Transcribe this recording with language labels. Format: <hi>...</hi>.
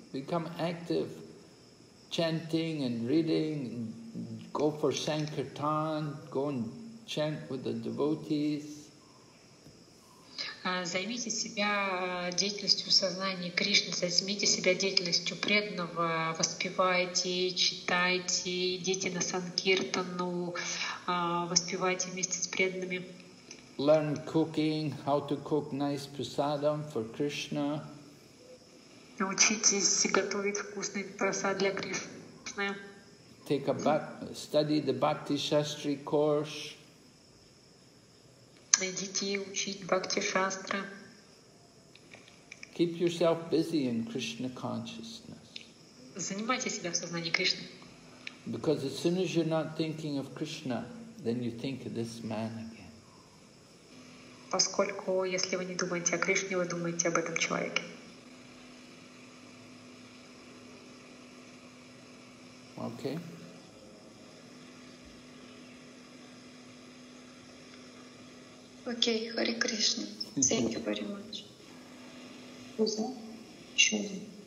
<en>Become active, chanting and reading, go for Sankirtan, go and chant with the devotees.</en> <ru>Займите себя деятельностью сознания Кришны, займите себя деятельностью преданного, воспевайте, читайте, идите на Санкиртану, воспевайте вместе с преданными.</ru> <en>Learn cooking, how to cook nice prasadam for Krishna.</en> <ru>Научитесь готовить вкусный прасад для Кришны.</ru> <en>Take a study the Bhakti Shastri course.</en> <ru>Идите учить Бхакти Шастра.</ru> <en>Keep yourself busy in Krishna consciousness.</en> <ru>Занимайте себя в сознании Кришны.</ru> <en>Because as soon as you're not thinking of Krishna, then you think of this man again.</en> <ru>Поскольку если вы не думаете о Кришне, вы думаете об этом человеке.</ru> <en>Okay. Okay, Hare Krishna. Thank you very much. Who's that? Shuri.</en>